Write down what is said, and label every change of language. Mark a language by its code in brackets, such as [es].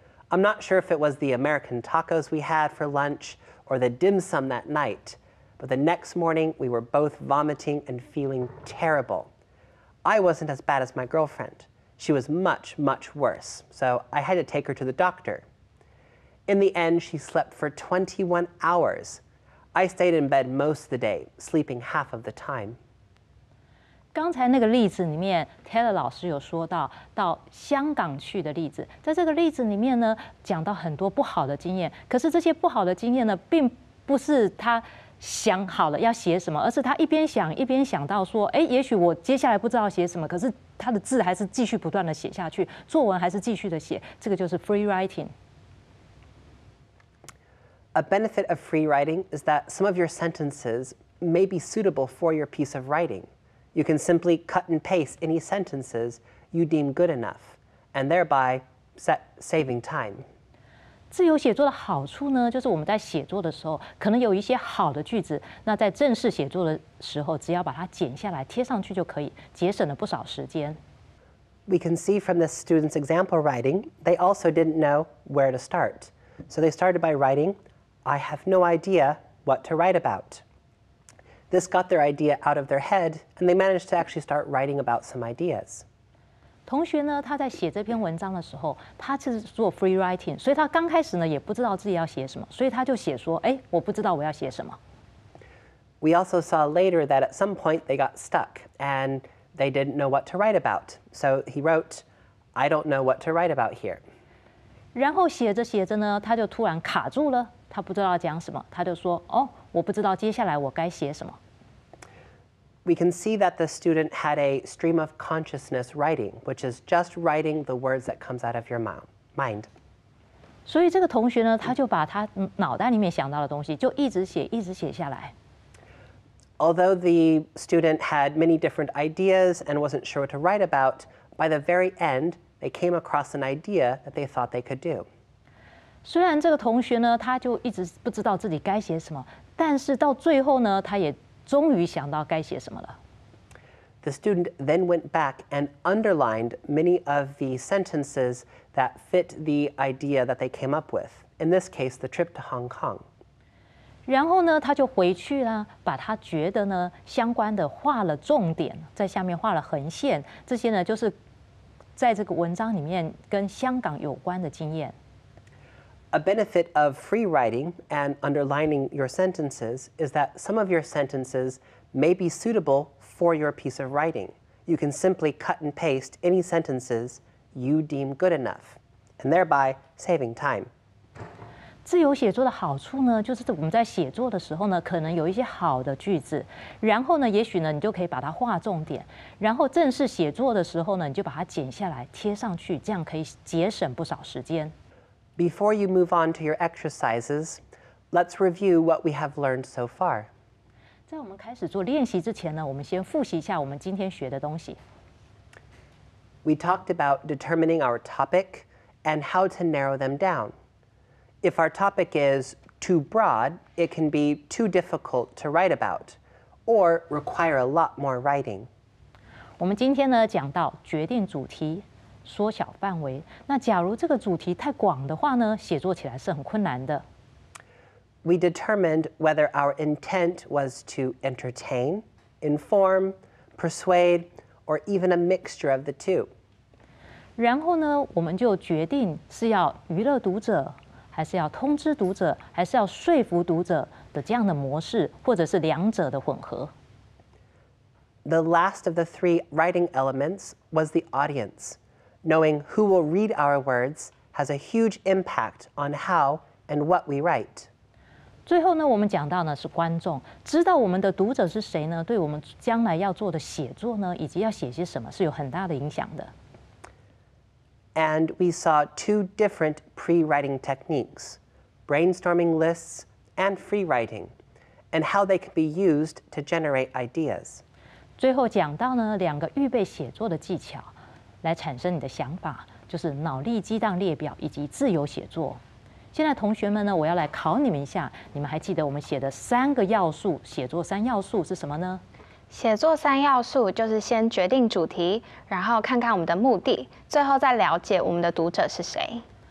[en] I'm not sure if it was the American tacos we had for lunch or the dim sum that night, but the next morning we were both vomiting and feeling terrible. I wasn't as bad as my girlfriend. She was much, much worse. So I had to take her to the doctor. In the end, she slept for 21 hours. I stayed in bed most of the day, sleeping half of the time. [zh] 刚才那个例子里面 ，Taylor 老师有说到到香港去的例子，在这个例子里面呢，讲到很多不好的经验。可是这些不好的经验呢，并不是他想好了要写什么，而是他一边想一边想到说，哎，也许我接下来不知道写什么，可是他的字还是继续不断的写下去，作文还是继续的写，这个就是 free writing。 [en] A benefit of free writing is that some of your sentences may be suitable for your piece of writing. You can simply cut and paste any sentences you deem good enough, and thereby saving time. [zh] 自由写作的好处呢，就是我们在写作的时候，可能有一些好的句子，那在正式写作的时候，只要把它剪下来贴上去就可以，节省了不少时间。 [en] We can see from the student's example writing, they also didn't know where to start. So they started by writing,I have no idea what to write about. This got their idea out of their head, and they managed to actually start writing about some ideas. [zh] 同学呢，他在写这篇文章的时候，他是做 free writing， 所以他刚开始呢也不知道自己要写什么，所以他就写说，哎，我不知道我要写什么。 [en] We also saw later that at some point they got stuck and they didn't know what to write about. So he wrote, "I don't know what to write about here." [zh] 然后写着写着呢，他就突然卡住了。他不知道讲什么，他就说：“哦，我不知道接下来我该写什么。” [en] We can see that the student had a stream of consciousness writing, which is just writing the words that comes out of your mind. [zh] 所以这个同学呢，他就把他脑袋里面想到的东西就一直写，一直写下来。 [en] Although the student had many different ideas and wasn't sure what to write about, by the very end, they came across an idea that they thought they could do. [zh] 虽然这个同学呢，他就一直不知道自己该写什么，但是到最后呢，他也终于想到该写什么了。 [en] The student then went back and underlined many of the sentences that fit the idea that they came up with. In this case, the trip to Hong Kong. [zh] 然后呢，他就回去啦，把他觉得呢相关的画了重点，在下面画了横线，这些呢就是在这个文章里面跟香港有关的经验。 [en] A benefit of free writing and underlining your sentences is that some of your sentences may be suitable for your piece of writing. You can simply cut and paste any sentences you deem good enough, and thereby saving time. [zh] 自由写作的好处呢，就是我们在写作的时候呢，可能有一些好的句子，然后呢，也许呢，你就可以把它划重点，然后正式写作的时候呢，你就把它剪下来贴上去，这样可以节省不少时间。 [en] Before you move on to your exercises, let's review what we have learned so far. [zh] 在我们开始做练习之前呢，我们先复习一下我们今天学的东西。 [en] We talked about determining our topic and how to narrow them down. If our topic is too broad, it can be too difficult to write about or require a lot more writing. [zh] 我们今天呢讲到决定主题。缩小范围。那假如这个主题太广的话呢，写作起来是很困难的。 [en] We determined whether our intent was to entertain, inform, persuade, or even a mixture of the two. [zh] 然后呢，我们就决定是要娱乐读者，还是要通知读者，还是要说服读者的这样的模式，或者是两者的混合。 [en] The last of the three writing elements was the audience. Knowing who will read our words has a huge impact on how and what we write. [zh] 最后呢，我们讲到呢是观众，知道我们的读者是谁呢，对我们将来要做的写作呢，以及要写些什么是有很大的影响的。 [en] And we saw two different pre-writing techniques, brainstorming lists and free writing, and how they can be used to generate ideas. [zh] 最后讲到呢两个预备写作的技巧。来产生你的想法，就是脑力激荡列表以及自由写作。现在同学们呢，我要来考你们一下，你们还记得我们写的三个要素，写作三要素是什么呢？写作三要素就是先决定主题，然后看看我们的目的，最后再了解我们的读者是谁。